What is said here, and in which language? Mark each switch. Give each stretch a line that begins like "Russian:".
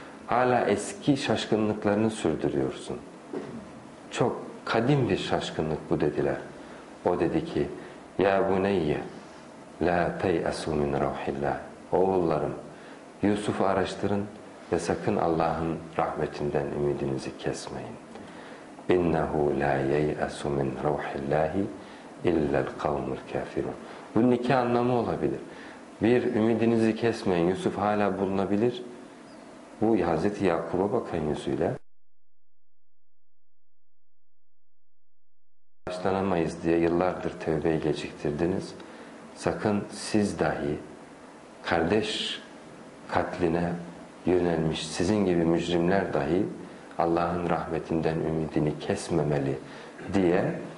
Turkish: Hala eski şaşkınlıklarını sürdürüyorsun. Çok kadim bir şaşkınlık bu dediler. O dedi ki,
Arabic: ya buneyye, la tey'asû min ruhillah.
Turkish: Oğullarım, Yusuf'u araştırın. Ve sakın Allah'ın rahmetinden ümidinizi kesmeyin.
Arabic: اِنَّهُ لَا يَيْأَسُ مِنْ رَوْحِ اللّٰهِ اِلَّا الْقَوْمُ الْكَافِرُونَ
Turkish: Bu iki anlamı olabilir. Bir, ümidinizi kesmeyin. Yusuf hala bulunabilir. Bu Hazreti Yakub'a bakan yüzüyle. Başlanamayız diye yıllardır tevbeyi geciktirdiniz. Sakın siz dahi kardeş katline yönelmiş sizin gibi mücrimler dahi Allah'ın rahmetinden ümidini kesmemeli diye